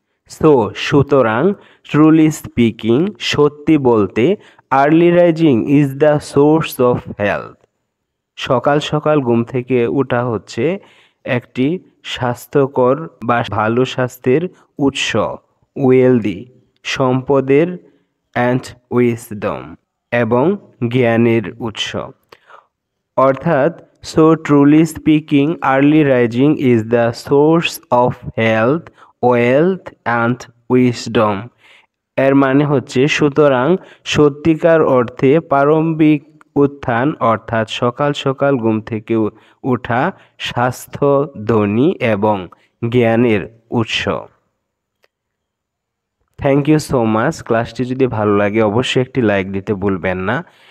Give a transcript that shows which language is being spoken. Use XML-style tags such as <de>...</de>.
<en>so,</en> <bn>সুতরাং,</bn> <en>truly speaking,</en> <bn>সত্যি বলতে,</bn> <en>early rising is the source of health,</en> <bn>সকাল সকাল ঘুম থেকে ওঠা হচ্ছে একটি স্বাস্থ্যকর বা ভালো স্বাস্থ্যের উৎস,</bn> <en>wealthy,</en> <bn>সম্পদের</bn> <en>and wisdom,</en> <bn>এবং জ্ঞানের উৎস। অর্থাৎ,</bn> <en>so truly speaking, early rising is the source of health, wealth and wisdom.</en> <bn>এর মানে হচ্ছে, সুতরাং সত্যিকার অর্থে প্রারম্ভিক উত্থান অর্থাৎ সকাল সকাল ঘুম থেকে ওঠা স্বাস্থ্য, ধনী এবং জ্ঞানের উৎস।</bn> <en>Thank you so much.</en> <bn>ক্লাসটি যদি ভালো লাগে অবশ্যই একটি লাইক দিতে ভুলবেন না।</bn>